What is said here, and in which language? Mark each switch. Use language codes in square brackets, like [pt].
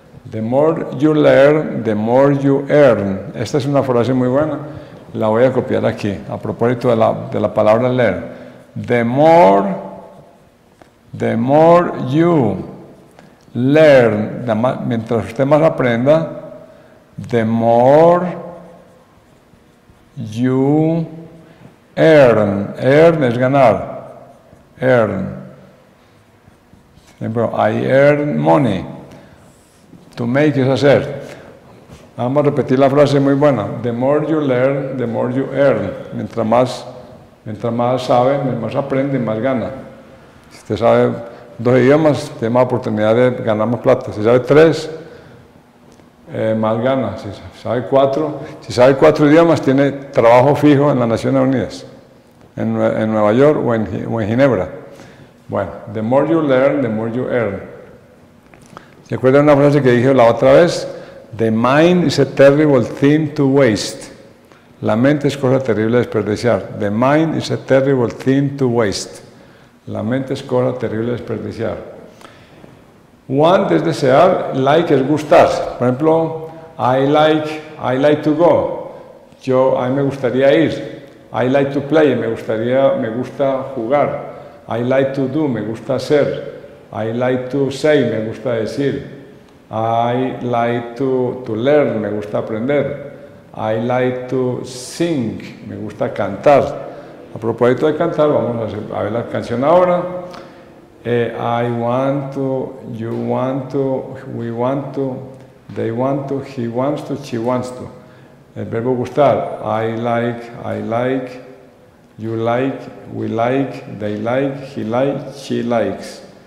[en] The more you learn, the more you earn. [es] Esta es una frase muy buena. La voy a copiar aquí, a propósito de la palabra learn. [en] The more you learn, [es] mientras usted más aprenda, [en] the more you earn. Earn [es] es ganar. [en] Earn. Ejemplo, I earn money. To make [es] es hacer. Vamos a repetir la frase muy buena. [en] The more you learn, the more you earn. [es] Mientras más sabe, más aprende, más gana. Si usted sabe dos idiomas, tiene más oportunidad de ganar más plata. Si sabe tres, más gana. Si sabe cuatro idiomas, tiene trabajo fijo en las Naciones Unidas, en Nueva York o en Ginebra. Bueno, [en] the more you learn, the more you earn. [es] ¿Se acuerdan una frase que dije la otra vez? [en] The mind is a terrible thing to waste. [es] La mente es cosa terrible de desperdiciar. [en] The mind is a terrible thing to waste. [es] La mente es cosa terrible de desperdiciar. Want es desear, like es gustar. Por ejemplo, [en] I like to go. [es] Yo, a mí me gustaría ir. [en] I like to play, [es] me gusta jugar. [en] I like to do, [es] me gusta hacer. [en] I like to say, [es] me gusta decir. [en] I like to learn, [es] me gusta aprender. [en] I like to sing, [es] me gusta cantar. A propósito de cantar, vamos a ver la canción ahora. [en] I want to, you want to, we want to, they want to, he wants to, she wants to. [es] El verbo gustar. [en] I like, you like, we like, they like, he like, she likes.